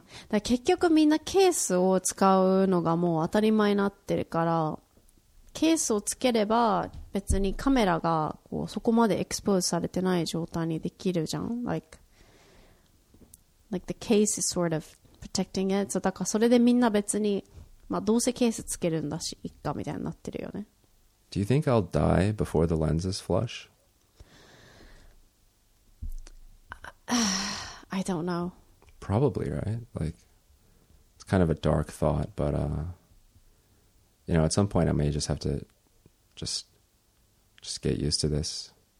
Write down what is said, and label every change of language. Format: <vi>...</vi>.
<ja>だから結局みんなケースを使うのがもう当たり前になってるから、ケースをつければ別にカメラがこうそこまでエクスポーズされてない状態にできるじゃん。</ja> <en>Like the case is sort of protecting it.</en> <ja>So だからそれでみんな別に、まあどうせケースつけるんだし、いっかみたいになってるよね。</ja> <en>Do you think I'll die before the lens is flush? I don't know. Probably, right? Like, it's kind of a dark thought, but, you know, at some point I may just have to just get used to this.</en>